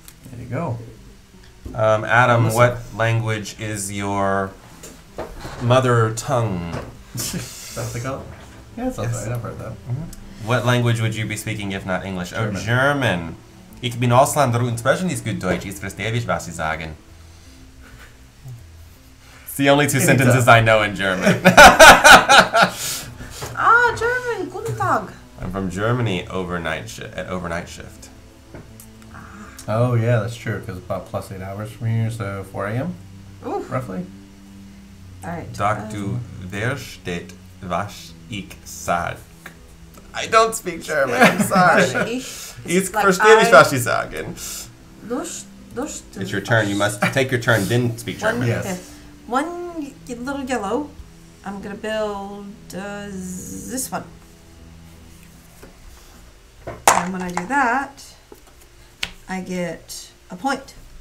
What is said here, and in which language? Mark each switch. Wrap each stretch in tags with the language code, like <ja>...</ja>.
<en>There you go. Adam, what language is your mother tongue? That's the color? Yeah, that's all right. I've heard that. What language would you be speaking if not English? German. Oh, German.</en> <de>Ich bin Ausländer und spreche nicht gut Deutsch. Ich verstehe nicht, was Sie sagen.</de> <en>It's the only two sentences I know in German. Ah, German.</en> <de>Guten Tag.</de> <en>I'm from Germany overnight shift. Oh, yeah, that's true, because it's about plus 8 hours from here, so 4 a.m., roughly. All right.</en> <de>Doch du verstehst, was ich sage.</de> <en>I don't speak German, I'm sorry.</en> <de>Ich verstehe nicht, was sie sagen.</de> <en>It's your turn, you must take your turn, then speak German. One, yes. Okay. One little yellow, I'm going to build this one. And when I do that, I get a point.</en>